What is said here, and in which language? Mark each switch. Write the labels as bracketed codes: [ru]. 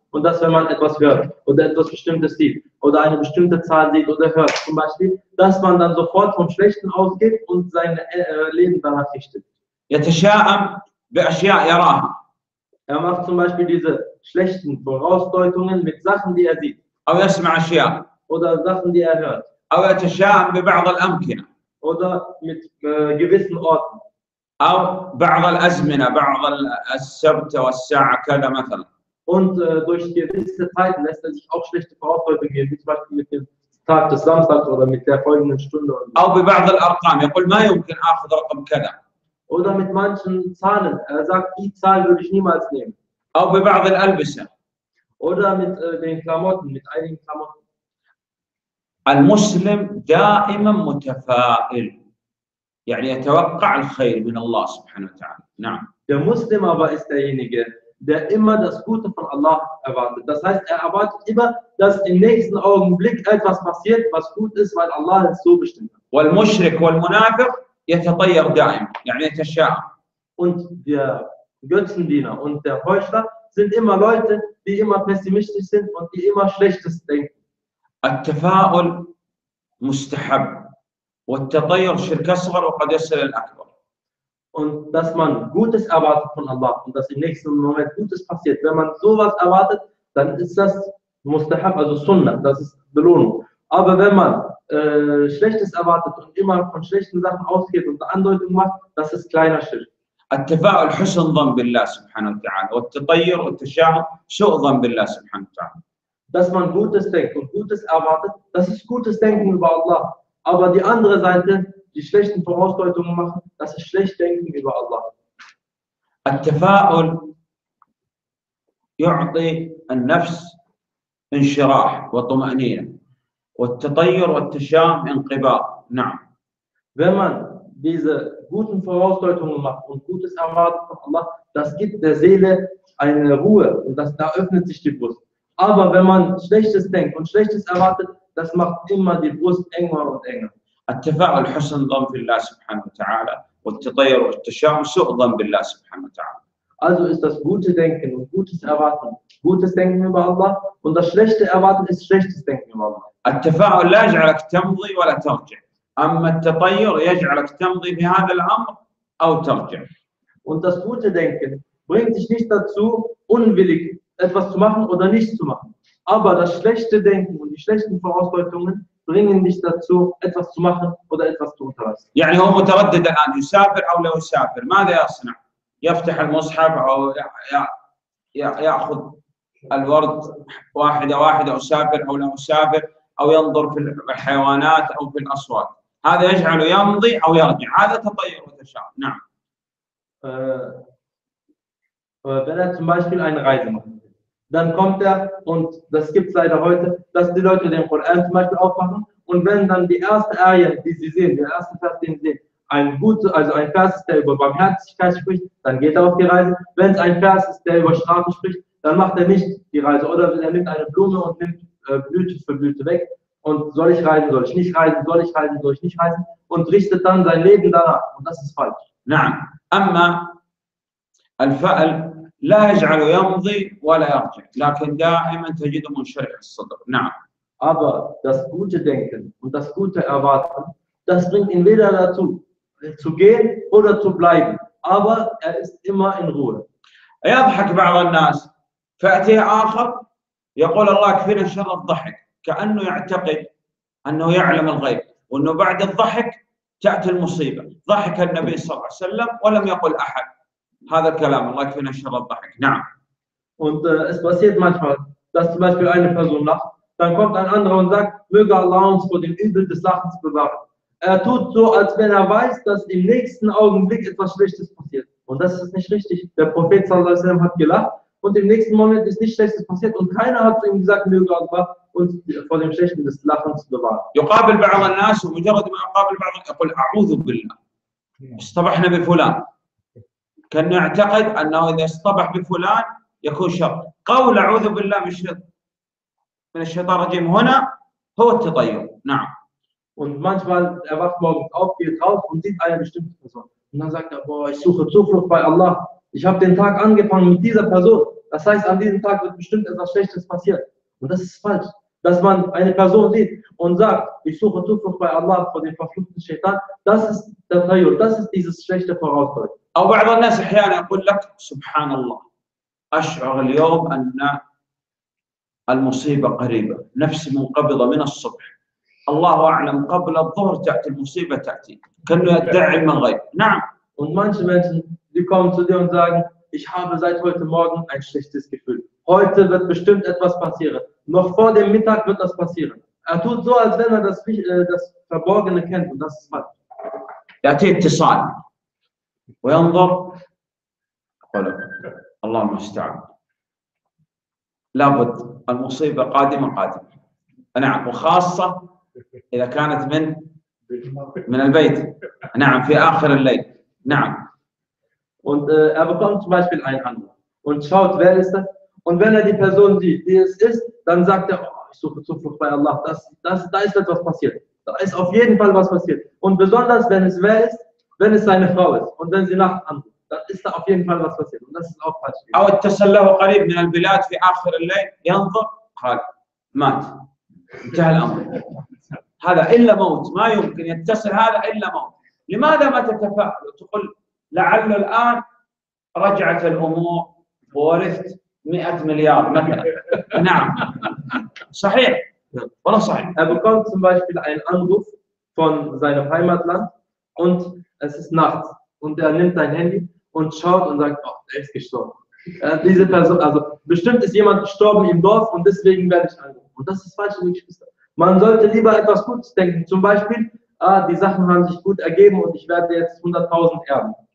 [de] Und dass, wenn man etwas hört oder etwas Bestimmtes sieht oder eine bestimmte Zahl sieht oder hört, zum Beispiel, dass man dann sofort vom Schlechten ausgeht und sein Leben danach richtet. [ar] يتشائم بأشياء يراها. [de] Er macht zum Beispiel diese schlechten Vorausdeutungen mit Sachen, die er sieht. [ar] أو يسمع أشياء. [de] Oder Sachen, die er hört. [ar] أو يتشائم ببعض الأمكنة. [de] Oder mit gewissen Orten. [ar] أو بعض الأزمنة، بعض السبت والساعة كذا مثلا. [de] Und durch gewisse Zeiten lässt er sich auch schlechte Vorausdeutungen geben, wie zum Beispiel mit dem Tag des Samstags oder mit der folgenden Stunde. [ar] أو ببعض الأرقام، يقول ما يمكن آخذ رقم كذا. [de] Oder mit manchen Zahlen. Er sagt, die Zahl würde ich niemals nehmen. [ar] أو ببعض الألبسة. [de] Oder mit den Klamotten, mit einigen Klamotten. [ar] المسلم دائما متفائل. يعني يتوقع الخير من الله سبحانه وتعالى. نعم. [de] Der Muslim aber ist derjenige, der immer das Gute von Allah erwartet. Das heißt, er erwartet immer, dass im nächsten Augenblick etwas passiert, was gut ist, weil Allah es so bestimmt hat. [ar] والمشرك والمنافق يتطير دائما، يعني يتشائم. [de] Und der Götzendiener und der Heuchler sind immer Leute, die immer pessimistisch sind und die immer Schlechtes denken. [ar] التفاؤل مستحب. والتطير شرك أصغر وقد يصل الأكبر. [de] Und dass man Gutes erwartet von Allah und dass im nächsten Moment Gutes passiert. Wenn man sowas erwartet, dann ist das Mustahab, also Sunnah, das ist Belohnung. Aber wenn man Schlechtes erwartet und immer von schlechten Sachen ausgeht und Andeutungen macht, das ist kleiner Schirk. [ar] التفاؤل حسن ظن بالله سبحانه وتعالى والتطير والتشاؤم سوء ظن بالله سبحانه وتعالى. [de] Dass man Gutes denkt und Gutes erwartet, das ist gutes Denken über Allah. Aber die andere Seite, die schlechten Vorausdeutungen machen, das ist schlecht denken über Allah. [ar] التفاؤل يعطي النفس انشراح وطمأنينة والتطير والتشاؤم انقباض. نعم. [de] Wenn man diese guten Vorausdeutungen macht und Gutes erwartet von Allah, das gibt der Seele eine Ruhe und das, da öffnet sich die Brust. Aber wenn man Schlechtes denkt und Schlechtes erwartet, das macht immer die Brust enger und enger. [ar] التفاؤل حسن ظن بالله سبحانه وتعالى والتطير والتشاؤم سوء ظن بالله سبحانه وتعالى. [de] Also ist das gute Denken und gutes Erwarten gutes Denken über Allah und das schlechte Erwarten ist schlechtes Denken über Allah. [ar] التفاؤل لا يجعلك تمضي ولا ترجع. أما التطير يجعلك تمضي في هذا الأمر أو ترجع. [de] Und das gute Denken bringt dich nicht dazu, unwillig etwas zu machen oder nichts zu machen. Aber das schlechte Denken und die schlechten Vorausdeutungen bringen dich dazu, etwas zu machen oder etwas zu unterlassen. [ar] يعني هو متردد الآن يسافر أو لا يسافر ماذا يصنع؟ يفتح المصحف أو يأخذ الورد واحدة واحدة يسافر أو لا يسافر أو ينظر في الحيوانات أو في الأصوات هذا يجعله يمضي أو يرجع هذا تطير وتشاؤم. نعم. [de] Wenn er zum Beispiel eine Reise macht. Dann kommt er, und das gibt es leider heute, dass die Leute den Koran zum Beispiel aufmachen, und wenn dann die erste Ayah, die sie sehen, der erste Vers, den sie sehen, ein guter, also ein Vers ist, der über Barmherzigkeit spricht, dann geht er auf die Reise. Wenn es ein Vers ist, der über Strafe spricht, dann macht er nicht die Reise. Oder er nimmt eine Blume und nimmt Blüte für Blüte weg, und soll ich reisen, soll ich nicht reisen, soll ich reisen, soll ich nicht reisen, und richtet dann sein Leben danach. Und das ist falsch. Nein. [ar] Amma al-fa'al لا يجعله يمضي ولا يرجع لكن دائما تجده منشرح الصدر. نعم. [de] Aber das gute Denken und das gute Erwarten, das bringt ihn weder dazu zu gehen oder zu bleiben. Aber er ist immer in Ruhe. [ar] يضحك بعض الناس فأتيه آخر يقول الله كفينا شر الضحك كأنه يعتقد أنه يعلم الغيب وأنه بعد الضحك تأتي المصيبة. ضحك النبي صلى الله عليه وسلم ولم يقل أحد هذا الكلام الله يكفينا شر الضحك. نعم. [de] Und es passiert manchmal, dass zum Beispiel eine Person lacht, dann kommt ein anderer und sagt, möge Allah uns vor dem Übel des Lachens bewahren. Er tut so, als wenn er weiß, dass im nächsten Augenblick etwas Schlechtes passiert. Und das ist nicht richtig. Der Prophet sallallahu alaihi wasallam hat gelacht und im nächsten Moment ist nichts Schlechtes passiert und keiner hat zu ihm gesagt, möge Allah uns vor dem Schlechten des Lachens bewahren. [ar] يقابل بعض الناس ومجرد ما يقابل بعض الناس يقول أعوذ بالله. اصطبحنا بفلان. كأنه يعتقد أنه إذا اصطبح بفلان يكون شر. قول أعوذ بالله من الشيطان الرجيم هنا هو التطير. نعم. [de] Und manchmal erwacht morgens auf, geht raus und sieht eine bestimmte Person. Und dann sagt er, boah, ich suche Zuflucht bei Allah. Ich habe den Tag angefangen mit dieser Person. Das heißt, an diesem Tag wird bestimmt etwas Schlechtes passieren. Und das ist falsch. Dass man eine Person sieht und sagt, ich suche Zuflucht bei Allah vor dem verfluchten Shaitan, das ist der Tayyur, das ist dieses schlechte Vorausdeutung. [ar] أو بعض الناس أحيانا يقول لك سبحان الله أشعر اليوم أن المصيبة قريبة، نفسي منقبضة من الصبح، الله أعلم قبل الظهر تأتي المصيبة تأتي، كأنه يدعي من غيب. نعم. [de] Und manche Menschen, die kommen zu dir und sagen, ich habe seit heute Morgen ein schlechtes Gefühl. Heute wird bestimmt etwas passieren. Noch vor dem Mittag wird das passieren. Er tut so, als wenn er das, das Verborgene kennt und das ist falsch. [ar] يأتي اتصال وينظر يقول الله المستعان لابد المصيبة قادمة قادمة نعم وخاصة إذا كانت من البيت نعم في آخر الليل نعم [de] und er bekommt zum Beispiel einen Anruf und schaut wer ist das und wenn er die Person sieht die es ist dann sagt er oh, ich suche Zuflucht bei Allah das da ist etwas passiert. Da ist auf jeden Fall was passiert. Und besonders, wenn es wer ist, wenn es seine Frau ist. Und wenn sie nachts anruft, dann ist da auf jeden Fall was passiert. Und das ist auch falsch. [ar] أو اتصل له قريب من البلاد في آخر الليل ينظر قال مات انتهى الأمر هذا إلا موت ما يمكن يتصل هذا إلا موت لماذا ما تتفاعل وتقول لعل الآن رجعت الأمور ورثت 100 مليار مثلا نعم صحيح [de] Er bekommt zum Beispiel einen Anruf von seinem Heimatland und es ist nachts und er nimmt sein Handy und schaut und sagt, oh, er ist gestorben. Diese Person, also bestimmt ist jemand gestorben im Dorf und deswegen werde ich anrufen. Und das ist falsch, meine Geschwister. Man sollte lieber etwas Gutes denken, zum Beispiel, ah, die Sachen haben sich gut ergeben und ich werde jetzt 100.000 erben.